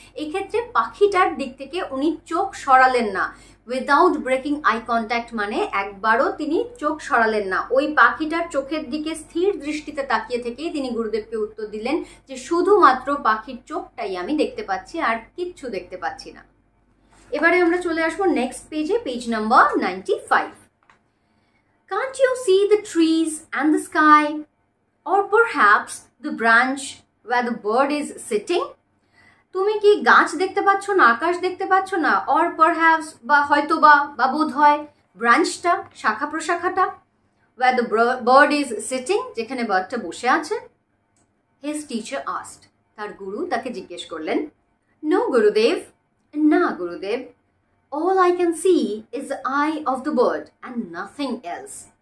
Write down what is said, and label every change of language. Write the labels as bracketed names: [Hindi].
[Bangla] এক্ষেত্রে পাখিটার দিক থেকে উনি চোখ সরালেন না, উইদাউট ব্রেকিং আই কন্ট্যাক্ট মানে একবারও তিনি চোখ সরালেন না, ওই পাখিটার চোখের দিকে স্থির দৃষ্টিতে তাকিয়ে থেকেই তিনি গুরুদেবকে উত্তর দিলেন যে শুধুমাত্র পাখির চোখটাই আমি দেখতে পাচ্ছি, আর কিচ্ছু দেখতে পাচ্ছি না। এবারে আমরা চলে আসবো নেক্সট পেজে, page number 95। [English] Can't you see the trees and the sky, or perhaps the branch where the bird is sitting? [Bangla] তুমি কি গাছ দেখতে পাচ্ছ না, আকাশ দেখতে পাচ্ছ না, [English] or perhaps [Bangla] বা হয়তো বা বোধ হয় ব্রাঞ্চটা, শাখা প্রশাখাটা, [English] where the bird is sitting, [Bangla] যেখানে বার্ডটা বসে আছে? [English] His teacher asked, [Bangla] তার গুরু তাকে জিজ্ঞেস করলেন। [English] No, Gurudev, [Bangla] না গুরুদেব, [English] All I can see is the eye of the bird and nothing else.